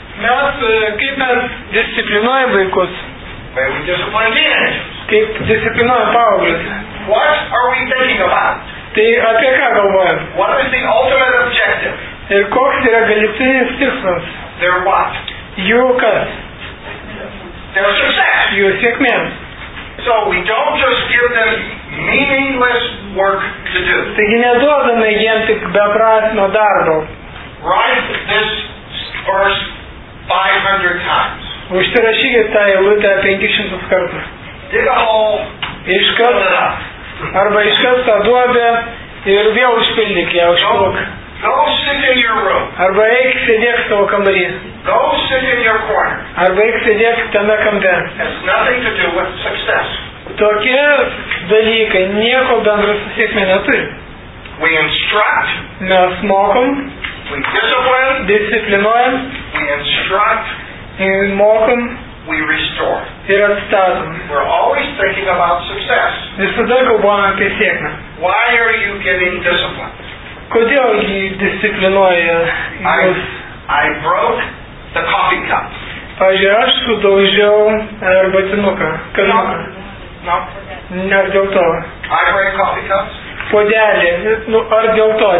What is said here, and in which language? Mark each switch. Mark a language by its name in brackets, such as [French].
[Lithuanian] Mes, kaip mes disciplinuojame vaikus? [English] When we discipline teenagers. [Lithuanian] Kaip disciplinuojame paauglius? [English] What are we thinking about? [Lithuanian] Tai apie ką galvojam? [English] What is the ultimate objective? [Lithuanian] Ir koks yra galutinis tikslas? [English] Their what? [Lithuanian] Jų kas? [English] Their success. [Lithuanian] Jų sėkmės. [English] So we don't just give them meaningless work to do. [Lithuanian] Taigi neduodame jiem tik beprasmio darbo. [English] Write this verse 500 times. [Lithuanian] Užsirašykit tą eilutę 500 kartų. [English] Dig a hole. [Lithuanian] Iškas, arba iškas tą duobę ir vėl užpildyk ją, užpildyk. [English] Go sit in your room. [Lithuanian] Arba eik sėdėk savo kambarį. [English] Go sit in your corner. [Lithuanian] Arba eik sėdėk tame kampe. [English] It has nothing to do with success. [Lithuanian] Tokie dalykai nieko bendro su sėkme neturi. [English] We instruct. [Lithuanian] Mes mokom. [English] We discipline. [Lithuanian] Disciplinuojam. [English] We instruct. [Lithuanian] Ir mokom. [English] We restore. [Lithuanian] Ir atstatom. [English] We're always thinking about success. [Lithuanian] Visada galvojame apie sėkmę. [English] Why are you giving discipline? [Lithuanian] Kodėl jį disciplinuoja? [English] I broke the coffee cup. [Lithuanian] Pavyzdžiui, aš sudaužiau arbatinuką. [English] No. [Lithuanian] Ne dėl to. [English] I break coffee cups. [Lithuanian] Podelį. Nu, ar dėl to?